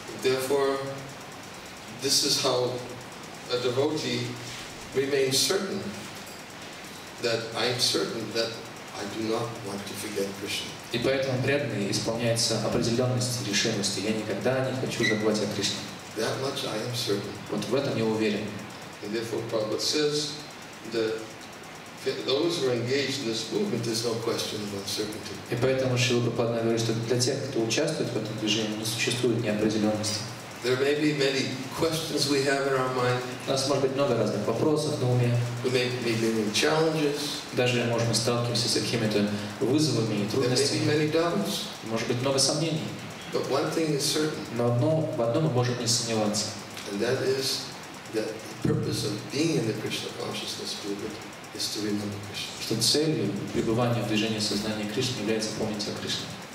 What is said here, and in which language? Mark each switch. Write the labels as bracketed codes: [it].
[en] Therefore, this is how a devotee remain certain that I am certain that I do not want to forget Krishna. [ru] И поэтому преданный исполняется определенности, решимости. Я никогда не хочу забывать о Кришне. [en] That much I am certain. [ru] Вот в этом я уверен. [en] And therefore, Prabhupada says that for those who are engaged in this movement, there's no question of uncertainty. [ru] И поэтому Шрила Прабхупада говорит, что для тех, кто участвует в этом движении, не существует неопределенности. [en] There may be many questions we have in our mind. [ru] У нас может быть много разных вопросов на уме. [en] We may be many challenges. [ru] Даже, может, мы сталкиваемся с какими-то вызовами и трудностями. [en] There may be many doubts. [ru] Может быть, много сомнений. [en] But one thing is certain. [ru] Но в одном мы можем не сомневаться. [en] And that is that the purpose of being in the Krishna consciousness movement [ru] что целью пребывания в движении сознания Кришны является помнить о Кришне.